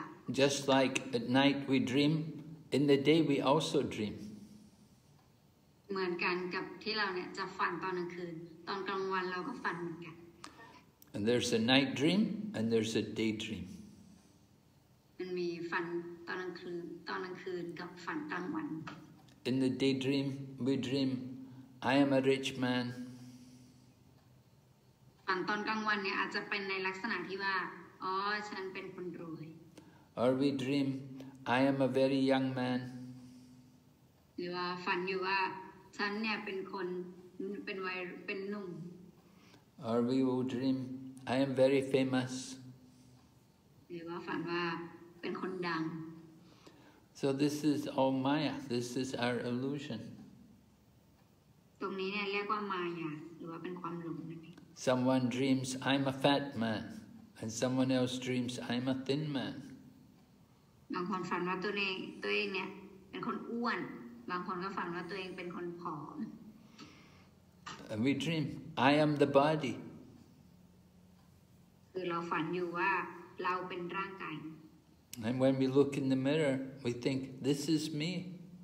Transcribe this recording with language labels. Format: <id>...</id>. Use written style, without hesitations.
<en>Just like at night we dream, in the day we also dream.</en> <th>เหมือนกันกับที่เราเนี่ยจะฝันตอนกลางคืนตอนกลางวันเราก็ฝันเหมือนกัน</th> <en>And there's a night dream and there's a day dream</en> <th>มันมีฝันตอนกลางคืนตอนกลางคืนกับฝันกลางวัน</th> <en>In the day dream we dream I am a rich man</en> <th>ฝันตอนกลางวันเนี่ยอาจจะเป็นในลักษณะที่ว่าอ๋อฉันเป็นคนรวย</th> <en>Or we dream I am a very young man</en> <th>หรือว่าฝันอยู่ว่าฉันเนี่ยเป็นคนเป็นวัยเป็นหนุ่ม</th> <en>Or we will dream I am very famous</en> <th>หรือว่าฝันว่าเป็นคนดัง</th> <en>So this is all Maya. This is our illusion.</en> <th>ตรงนี้เนี่ยเรียกว่ามายาหรือว่าเป็นความหลง</th> <en>Someone dreams I'm a fat man, and someone else dreams I'm a thin man.</en> <th>บางคนฝันว่าตัวเองเนี่ยเป็นคนอ้วนบางคนก็ฝันว่าตัวเองเป็นคนผอม</th> <en>And we dream I am the body.</en> <th>คือเราฝันอยู่ว่าเราเป็นร่างกาย</th> <en>And when we look in the mirror, we think, this is me.</en>